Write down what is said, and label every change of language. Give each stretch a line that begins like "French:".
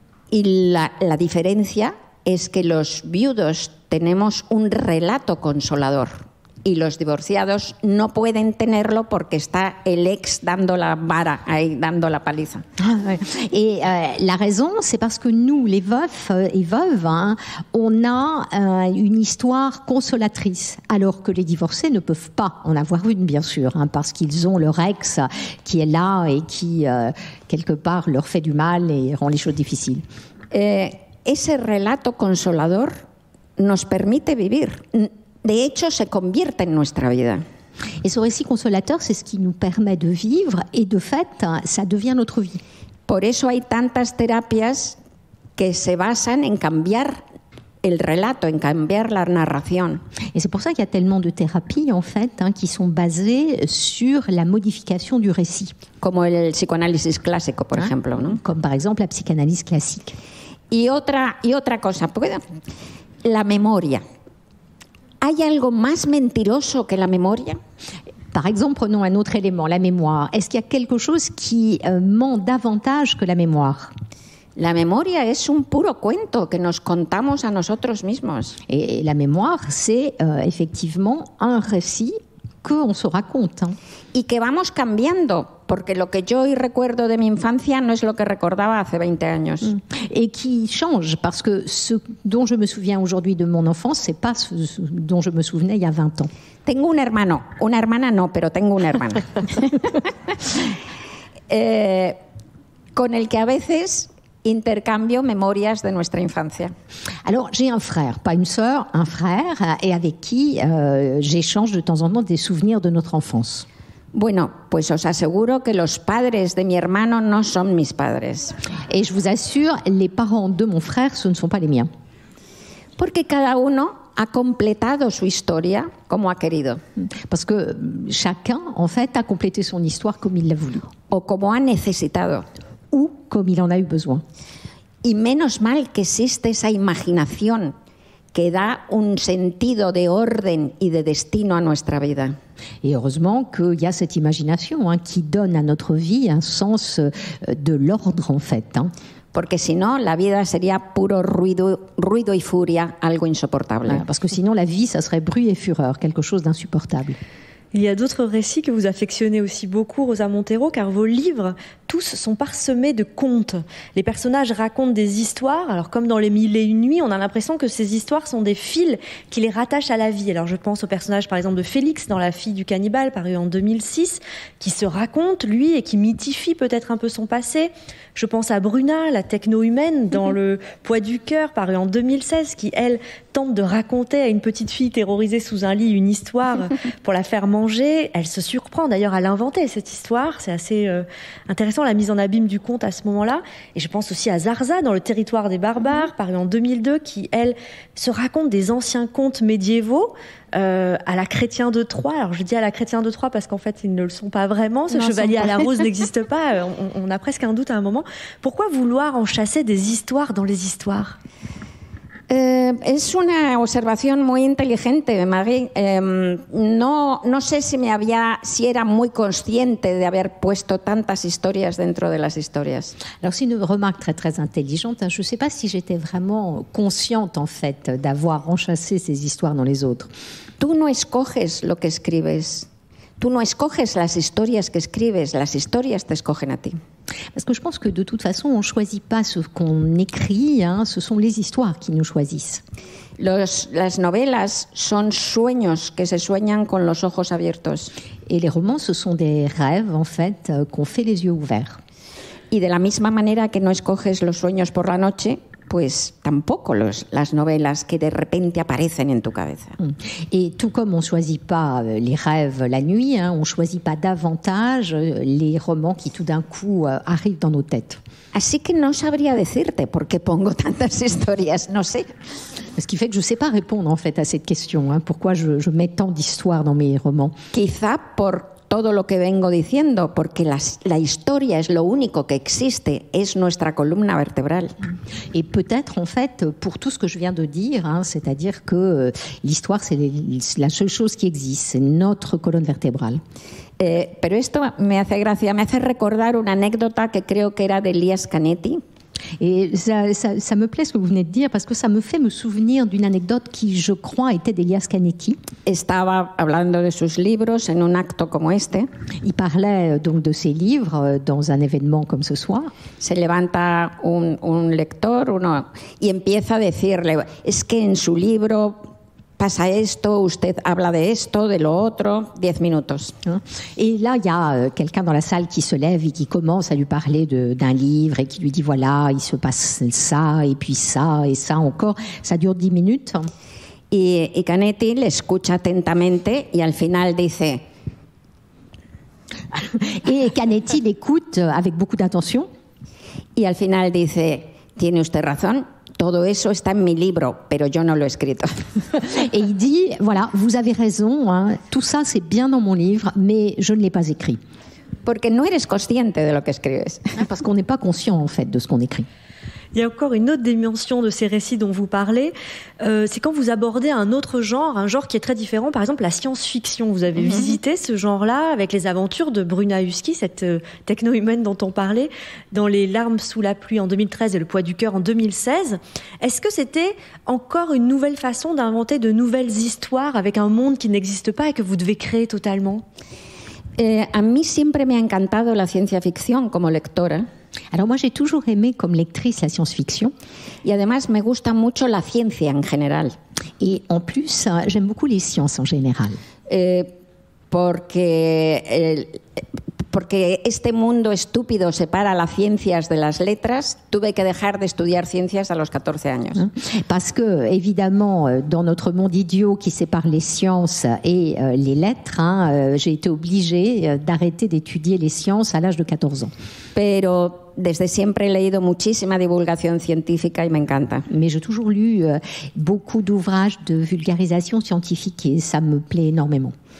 Spanish: La diferencia es que los viudos tenemos un relato consolador y los divorciados no pueden tenerlo porque está el ex dando la vara, ahí, dando la paliza.
French: Et la raison, c'est parce que nous, les veufs et veuves, hein, on a une histoire consolatrice, alors que les divorcés ne peuvent pas en avoir une, bien sûr, hein, parce qu'ils ont leur ex qui est là et qui, quelque part, leur fait du mal et rend les choses difficiles.
Spanish: Ese relato consolador nos permite vivir. De hecho, se convierte en nuestra vida.
French: Et ce récit consolateur, c'est ce qui nous permet de vivre, et de fait, ça devient notre vie.
Spanish: Por eso hay tantas terapias que se basan en cambiar el relato, en cambiar la narración.
French: Et c'est pour ça qu'il y a tellement de thérapies, en fait, hein, qui sont basées sur la modification du récit.
Spanish: Como el psicoanálisis clásico, por ejemplo, ¿no?
French: Comme par exemple la psychanalyse classique.
Spanish: Y otra cosa, ¿puedo? La memoria. ¿Hay algo más mentiroso que la memoria?
French: Par exemple, prenons un autre élément, la mémoire. Est-ce qu'il y a quelque chose qui ment davantage que la mémoire?
Spanish: La memoria es un puro cuento que nos contamos a nosotros mismos.
French: Et la mémoire, c'est effectivement un récit qu'on se raconte. Hein.
Spanish: Y que vamos cambiando, porque lo que yo hoy recuerdo de mi infancia no es lo que recordaba hace 20 años.
French: Et qui change, parce que ce dont je me souviens aujourd'hui de mon enfance, c'est pas ce dont je me souvenais il y a 20 ans.
Spanish: Tengo un hermano. Una hermana no, pero tengo un hermano. con el que a veces intercambio memorias de nuestra infancia.
French: Alors, j'ai un frère, pas une sœur, un frère, et avec qui j'échange de temps en temps des souvenirs de notre enfance.
Spanish: Bueno, pues os aseguro que los padres de mi hermano no son mis padres.
French: Et je vous assure, les parents de mon frère, ce ne sont pas les miens.
Spanish: Porque cada uno ha completado su historia como ha querido.
French: Parce que chacun, en fait, a complété son histoire comme il l'a voulu.
Spanish: O como ha necesitado.
French: Ou comme il en a eu besoin.
Spanish: Y menos mal que existe esa imaginación que da un sentido de orden y de destino a nuestra vida.
French: Et heureusement qu'il y a cette imagination, hein, qui donne à notre vie un sens de l'ordre, en fait. Hein.
Spanish: Porque si no, la vida sería puro ruido y furia, algo insoportable.
French: Parce que sinon, la vie, ça serait bruit et fureur, quelque chose d'insupportable. Il y a d'autres récits que vous affectionnez aussi beaucoup, Rosa Montero, car vos livres, tous, sont parsemés de contes. Les personnages racontent des histoires. Alors, comme dans Les Mille et Une Nuits, on a l'impression que ces histoires sont des fils qui les rattachent à la vie. Alors, je pense au personnage, par exemple, de Félix dans La fille du cannibale, paru en 2006, qui se raconte, lui, et qui mythifie peut-être un peu son passé. Je pense à Bruna, la techno-humaine, dans Le poids du cœur, paru en 2016, qui, elle, tente de raconter à une petite fille terrorisée sous un lit une histoire pour la faire manger. Elle se surprend d'ailleurs à l'inventer, cette histoire. C'est assez intéressant, la mise en abîme du conte à ce moment-là. Et je pense aussi à Zarza, dans Le territoire des barbares, paru en 2002, qui, elle, se raconte des anciens contes médiévaux à la Chrétien de Troyes. Alors, je dis à la Chrétien de Troyes parce qu'en fait, ils ne le sont pas vraiment. Ce chevalier à la rose n'existe pas. On a presque un doute à un moment. Pourquoi vouloir en chasser des histoires dans les histoires ?
Spanish: Es una observación muy inteligente, Marie. No sé si era muy consciente de haber puesto tantas historias dentro de las historias.
French: Alors, c'est une remarque très, très intelligente. Je ne sais pas si j'étais vraiment consciente, en fait, d'avoir enchâssé ces histoires dans les autres.
Spanish: Tú no escoges lo que escribes. Tú no escoges las historias que escribes. Las historias te escogen a ti.
French: Parce que je pense que de toute façon, on ne choisit pas ce qu'on écrit, hein, ce sont les histoires qui nous choisissent.
Spanish: Las novelas son sueños que se sueñan con los ojos abiertos.
French: Et les romans, ce sont des rêves, en fait, qu'on fait les yeux ouverts.
Spanish: Y de la misma manera que no escoges los sueños por la noche, pues tampoco las novelas que de repente aparecen en tu cabeza.
French: Et tout comme on ne choisit pas les rêves la nuit, hein, on ne choisit pas davantage les romans qui tout d'un coup arrivent dans nos têtes.
Spanish: Así que no sabría decirte por qué pongo tantas historias, no sé.
French: Ce qui fait que je ne sais pas répondre en fait à cette question, hein, pourquoi je mets tant d'histoires dans mes romans.
Spanish: Quizá por todo lo que vengo diciendo, porque la historia es lo único que existe, es nuestra columna vertebral.
French: Et peut-être, en fait, pour tout ce que je viens de dire, hein, c'est-à-dire que l'histoire, c'est la seule chose qui existe, c'est notre colonne vertébrale.
Spanish: Pero esto me hace gracia, me hace recordar una anécdota que creo que era de Elias Canetti.
French: Et ça me plaît ce que vous venez de dire parce que ça me fait me souvenir d'une anecdote qui, je crois, était d'Elias Canetti.
Spanish: Estaba hablando de sus libros en un acto como este.
French: Il parlait donc de ses livres dans un événement comme ce soir.
Spanish: Se levanta un lector, uno, y empieza a decirle, es que en su libro pasa esto, usted habla de esto, de lo otro, 10 minutos.
French: Et là, il y a quelqu'un dans la salle qui se lève et qui commence à lui parler d'un livre et qui lui dit, voilà, il se passe ça, et puis ça, et ça encore. Ça dure 10 minutes. Et Canetti l'écoute attentivement et
Spanish: al final dice...
French: Et Canetti l'écoute avec beaucoup d'attention.
Spanish: Et al final dice, tiene usted razón. Todo eso está en mi libro, pero yo no lo he escrito.
French: Et il dit, voilà, vous avez raison, hein, tout ça c'est bien dans mon livre, mais je ne l'ai pas écrit.
Spanish: Porque no eres consciente de lo que escribes.
French: Parce qu'on n'est pas conscient en fait de ce qu'on écrit. Il y a encore une autre dimension de ces récits dont vous parlez, c'est quand vous abordez un autre genre, un genre qui est très différent, par exemple la science-fiction. Vous avez visité ce genre-là avec les aventures de Bruna Husky, cette techno-humaine dont on parlait, dans Les larmes sous la pluie en 2013 et Le poids du cœur en 2016. Est-ce que c'était encore une nouvelle façon d'inventer de nouvelles histoires avec un monde qui n'existe pas et que vous devez créer totalement ?
Spanish: A mí siempre me ha encantado la ciencia-ficción como lectora.
French: Alors moi j'ai toujours aimé comme lectrice la science-fiction.
Spanish: Et además me gusta mucho la ciencia en general.
French: Et en plus j'aime beaucoup les sciences en général.
Spanish: Porque este mundo estúpido separa las ciencias de las letras, tuve que dejar de estudiar ciencias a los 14 años.
French: Parce que évidemment dans notre monde idiot qui sépare les sciences et les lettres, hein, j'ai été obligée d'arrêter d'étudier les sciences à l'âge de 14 ans.
Spanish: Pero desde siempre he leído muchísima divulgación científica y me encanta.
French: Mais j'ai toujours lu beaucoup d'ouvrages de vulgarisation scientifique et ça me plaît énormément.